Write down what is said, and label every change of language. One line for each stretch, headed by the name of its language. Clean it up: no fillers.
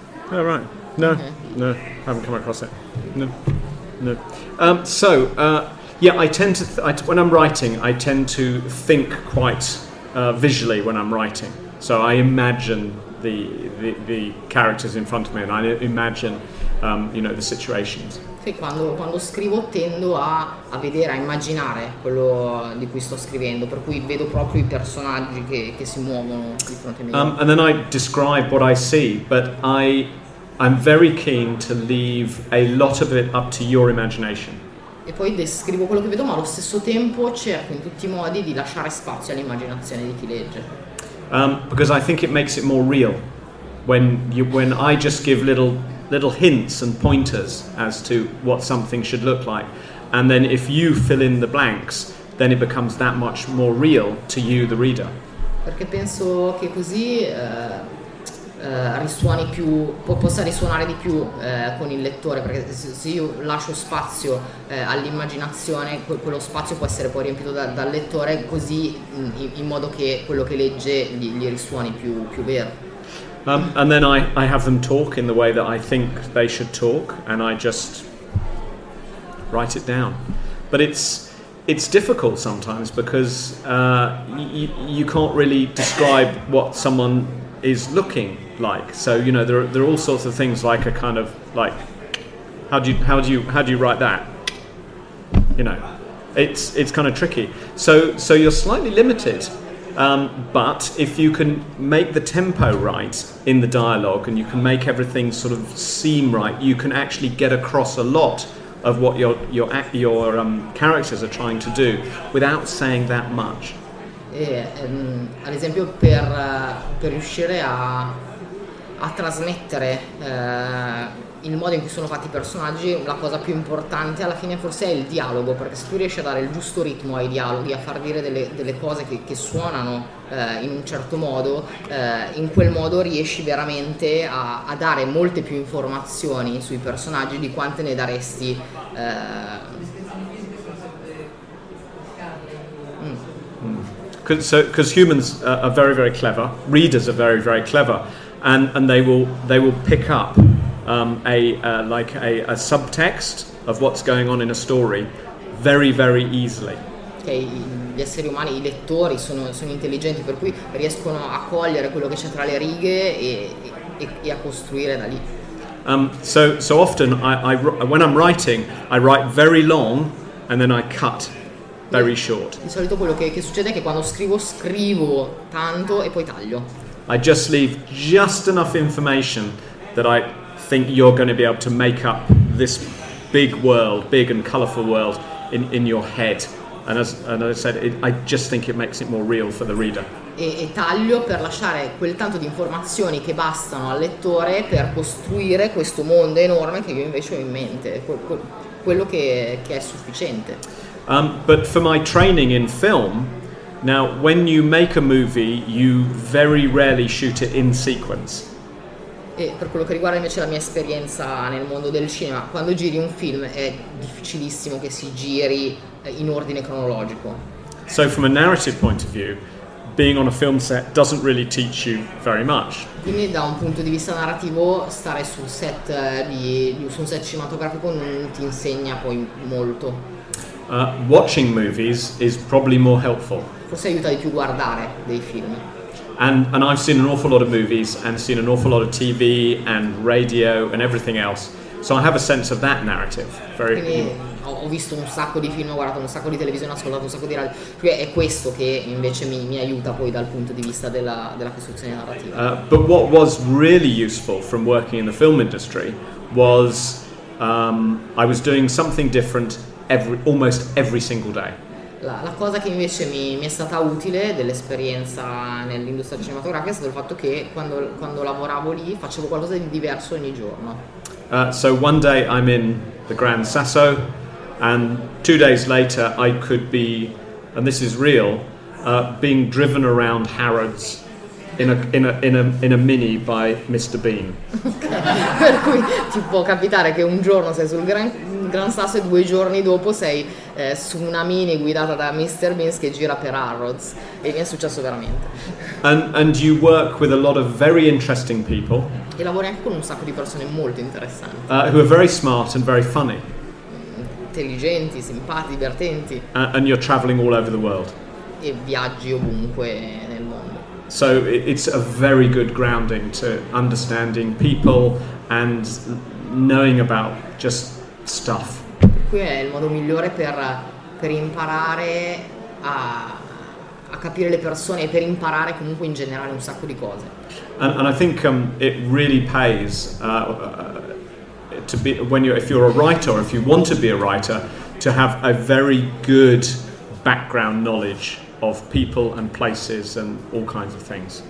English: Oh, right. No, no, I haven't come across it. No, no. When I'm writing, I tend to think quite visually when I'm writing. So I imagine the characters in front of me, and I imagine, the situations.
Italian: Sì, quando scrivo tendo a vedere, a immaginare quello di cui sto scrivendo, per cui vedo proprio i personaggi che si muovono di fronte a me.
English: And then I describe what I see, but I'm very keen to leave a lot of it up to your imagination.
Italian: E poi descrivo quello che vedo, ma allo stesso tempo cerco in tutti i modi di lasciare spazio all'immaginazione di chi legge.
English: Because I think it makes it more real when I just give little hints and pointers as to what something should look like, and then if you fill in the blanks, then it becomes that much more real to you, the reader.
Italian: perché penso che così risuoni più, possa risuonare di più con il lettore, perché se io lascio spazio all'immaginazione, quello spazio può essere poi riempito dal lettore, così in modo che quello che legge gli risuoni più vero.
English: And then I have them talk in the way that I think they should talk, and I just write it down. But it's difficult sometimes because you can't really describe what someone is looking like. So you know there are all sorts of things, like a kind of like how do you write that? You know, it's kind of tricky. So you're slightly limited. But if you can make the tempo right in the dialogue and you can make everything sort of seem right, you can actually get across a lot of what your characters are trying to do without saying that much.
Italian: Ad esempio per riuscire a trasmettere il modo in cui sono fatti i personaggi, la cosa più importante alla fine forse è il dialogo, perché se tu riesci a dare il giusto ritmo ai dialoghi, a far dire delle cose che suonano in un certo modo, in quel modo riesci veramente a dare molte più informazioni sui personaggi di quante ne daresti.
English: Because humans are very, very clever, readers are very, very clever, and they will pick up a subtext of what's going on in a story very, very easily.
Italian: Okay, gli esseri umani, i lettori sono intelligenti, per cui riescono a cogliere quello che c'è tra le righe e a costruire da lì.
English: So often I when I'm writing, I write very long and then I cut very short.
Italian: Di solito quello che succede è che quando scrivo tanto e poi taglio.
English: I just leave just enough information that I think you're going to be able to make up this big world, big and colourful world in your head. And as I said, I just think it makes it more real for the reader.
Italian: E taglio per lasciare quel tanto di informazioni che bastano al lettore per costruire questo mondo enorme che io invece ho in mente, quello che è sufficiente.
English: But for my training in film, now when you make a movie, you very rarely shoot it in sequence.
Italian: E per quello che riguarda invece la mia esperienza nel mondo del cinema, quando giri un film è difficilissimo che si giri in ordine cronologico.
English: So from a narrative point of view, being on a film set doesn't really teach you very much.
Italian: Quindi da un punto di vista narrativo, stare sul set di un set cinematografico non ti insegna poi molto.
English: Watching movies is probably more helpful.
Italian: Forse aiuta di più guardare dei film.
English: And I've seen an awful lot of movies and seen an awful lot of TV and radio and everything else. So I have a sense of that narrative. Very.
Italian: Quindi, ho visto un sacco di film, ho guardato un sacco di televisione, ho ascoltato un sacco di radio. È questo che invece mi aiuta poi dal punto di vista della costruzione narrativa.
English: But what was really useful from working in the film industry was I was doing something different almost every single day.
Italian: La cosa che invece mi è stata utile dell'esperienza nell'industria cinematografica è stato il fatto che quando lavoravo lì facevo qualcosa di diverso ogni giorno.
English: So one day I'm in the Grand Sasso and 2 days later I could be, and this is real, being driven around Harrods in a mini by Mr. Bean. Okay.
Italian: Per cui ti può capitare che un giorno sei sul Gran Sasso e 2 giorni dopo sei su una mini guidata da Mr. Bean che gira per Harrods, e mi è successo veramente.
English: And you work with a lot of very interesting people.
Italian: E lavori anche con un sacco di persone molto interessanti.
English: Who are very smart and very funny.
Italian: Intelligenti, simpatici, divertenti.
English: And you're traveling all over the world.
Italian: E viaggi ovunque.
English: So it's a very good grounding to understanding people and knowing about just stuff.
Italian: Qui è il modo migliore per imparare a capire le persone e per imparare comunque in generale un sacco di cose.
English: And I think it really pays to be if you're a writer, if you want to be a writer, to have a very good background knowledge of people and places and all kinds of things.